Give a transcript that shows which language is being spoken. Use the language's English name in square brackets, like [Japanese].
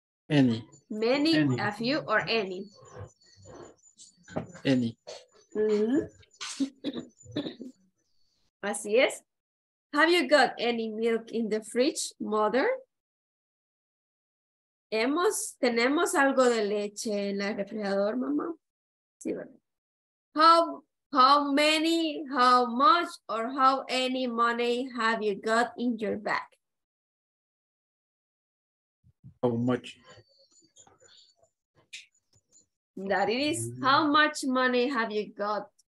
[English] Any. Many, any. A few, or any? Any. [Spanish] Mm-hmm. Así es. [English] Have you got any milk in the fridge, mother? [Spanish] ¿Tenemos algo de leche en el refrigerador, mamá? Sí, ¿verdad? [English] How many, how much, or how any money have you got in your bag? How much? That it is. How much money have you got